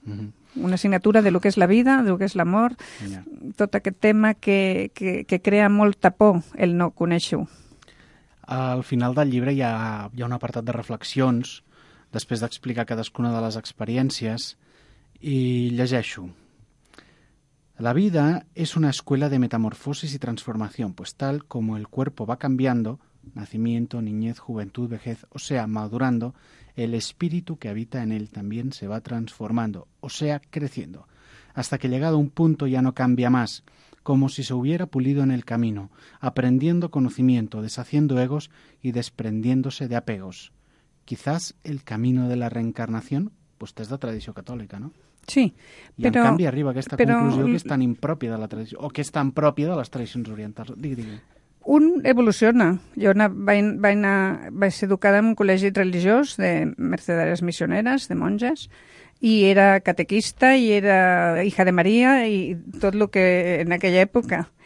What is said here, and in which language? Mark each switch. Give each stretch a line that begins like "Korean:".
Catalan: Mm-hmm. Una assignatura de lo que és la vida, de lo que és l'amor, ja. Tot aquest tema que crea molta por el no conèixer-ho. Al final del llibre hi ha un apartat de reflexions, després d'explicar cadascuna de les experiències, i llegeixo.
Spanish: La vida es una escuela de metamorfosis y transformación, pues tal como el cuerpo va cambiando, nacimiento, niñez, juventud, vejez, o sea, madurando, el espíritu que habita en él también se va transformando, o sea, creciendo, hasta que llegado a un punto ya no cambia más, como si se hubiera pulido en el camino, aprendiendo conocimiento, deshaciendo egos y desprendiéndose de apegos. Quizás el camino de la reencarnación, pues es de tradición católica, ¿no?
Catalan: Sí, però... I en canvi arriba aquesta conclusió que és tan impròpia de la tradició, o que és tan pròpia de les tradicions orientals. Digui. Un evoluciona. Jo vaig ser educada en un col·legi religiós de mercedàries missioneres, de monges, I era catequista i era hija de Maria i tot el que en aquella època.